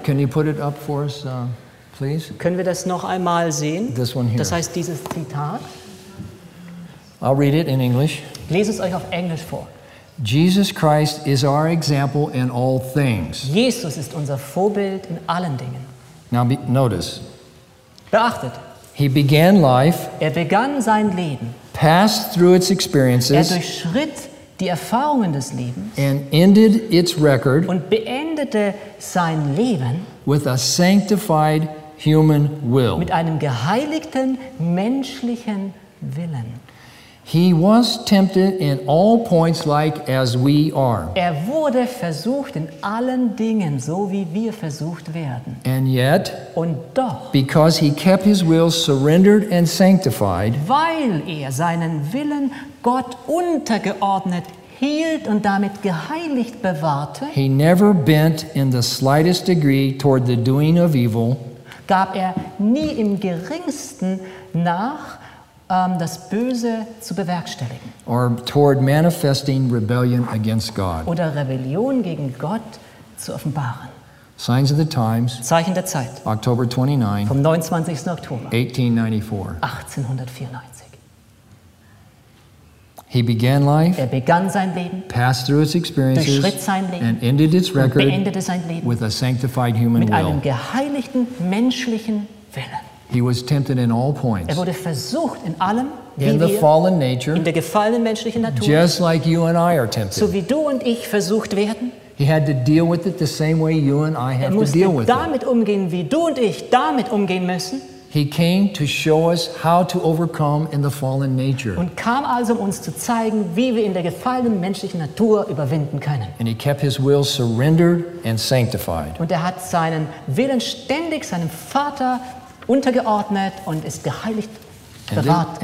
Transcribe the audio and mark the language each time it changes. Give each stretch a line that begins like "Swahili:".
English: Can you put it up for us, please?
German: Können wir das noch einmal sehen?
English: This one here.
German: Das heißt, dieses Zitat.
English: I'll read it in English.
German: Lese es euch auf Englisch vor.
English: Jesus Christ is our example in all things.
German: Jesus ist unser Vorbild in allen Dingen.
English: Now notice.
German: Beachtet.
English: He began life.
German: Er begann sein Leben.
English: Passed through its experiences.
German: Er durchschritt die Erfahrungen des Lebens.
English: And ended its record.
German: Und beendete sein Leben.
English: With a sanctified human will.
German: Mit einem geheiligten menschlichen Willen.
English: He was tempted in all points like as we are.
German: Er wurde versucht in allen Dingen, so wie wir versucht werden.
English: And yet,
German: und doch,
English: because he kept his will surrendered and sanctified,
German: weil er seinen Willen Gott untergeordnet hielt und damit geheiligt bewahrte,
English: he never bent in the slightest degree toward the doing of evil,
German: gab er nie im geringsten nach, das Böse zu bewerkstelligen.
English: Or toward manifesting rebellion against God.
German: Oder Rebellion gegen Gott zu offenbaren.
English: Signs of the Times.
German: Zeichen der Zeit.
English: October 29.
German: Vom 29. Oktober.
English: 1894.
German: 1894.
English: He began life.
German: Er begann sein Leben.
English: Passed through its experiences.
German: Durchschritt sein Leben.
English: And ended its record.
German: Und beendete sein Leben.
English: With a sanctified human will.
German: Mit einem geheiligten menschlichen Willen.
English: He was tempted in all points.
German: Er wurde versucht in allem, wie
English: in the fallen nature,
German: in der gefallenen menschlichen Natur,
English: just like you and I are tempted.
German: So wie du und ich versucht werden.
English: He had to deal with it the same way you and I have to deal with it.
German: Er musste damit umgehen, wie du und ich damit umgehen müssen.
English: He came to show us how to overcome in the fallen nature.
German: Und kam also, um uns zu zeigen, wie wir in der gefallenen menschlichen Natur überwinden können.
English: And he kept his will surrendered and sanctified.
German: Und er hat seinen Willen ständig seinem Vater untergeordnet und ist geheiligt bewahrt